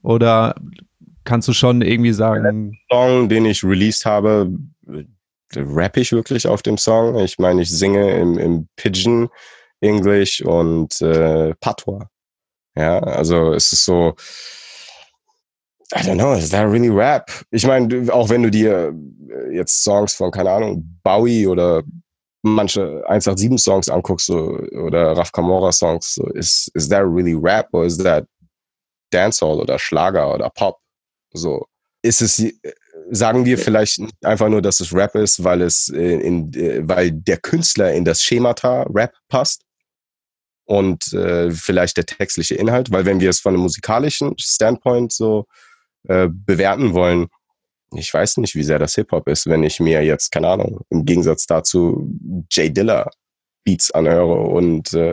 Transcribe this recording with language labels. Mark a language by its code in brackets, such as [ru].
[de] Oder kannst du schon irgendwie sagen? Der Song, den ich released habe, rappe ich wirklich auf dem Song. Ich meine, ich singe im Pidgin English und Patois. [en] Ja, also es ist so, I don't know, is that really rap? [de] Ich meine, auch wenn du dir jetzt Songs von, keine Ahnung, Bowie oder manche 187 Songs anguckst so, oder Raf Camora Songs, so, is that really rap or is that Dancehall oder Schlager oder Pop? So, ist es, sagen wir vielleicht einfach nur, dass es Rap ist, weil es weil der Künstler in das Schemata Rap passt und vielleicht der textliche Inhalt, weil wenn wir es von einem musikalischen Standpoint so bewerten wollen, ich weiß nicht, wie sehr das Hip-Hop ist, wenn ich mir jetzt, keine Ahnung, im Gegensatz dazu Jay Dilla Beats anhöre und